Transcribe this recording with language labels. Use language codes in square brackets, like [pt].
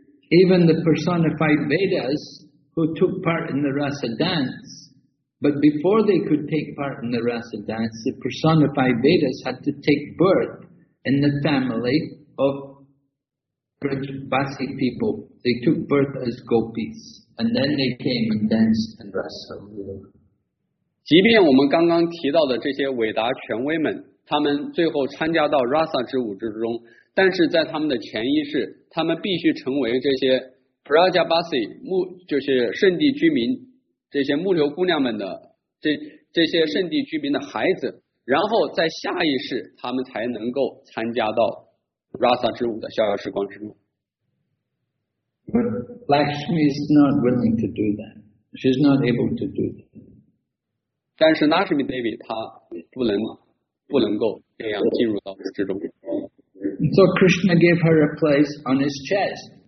[en] Even the personified Vedas who took part in the Rasa dance, but before they could take part in the Rasa dance, the personified Vedas had to take birth in the family of Vrajvasi people. They took birth as Gopis, and then they came and danced and wrestled. [zh] 即便我们刚刚提到的这些伟大权威们，他们最后参加到 Rasa 之舞之中，但是在他们的潜意识，他们必须成为这些 Prajabasi 就是圣地居民，这些木流姑娘们的 这些圣地居民的孩子，然后在下一世他们才能够参加到 Rasa 之舞的逍遥时光之中。 [en] But Lakshmi is not willing to do that. She's not able to do that. [zh] 但是 Lakshmi Devi 她不能了，不能够这样进入到之中。 [en] So Krishna gave her a place on his chest.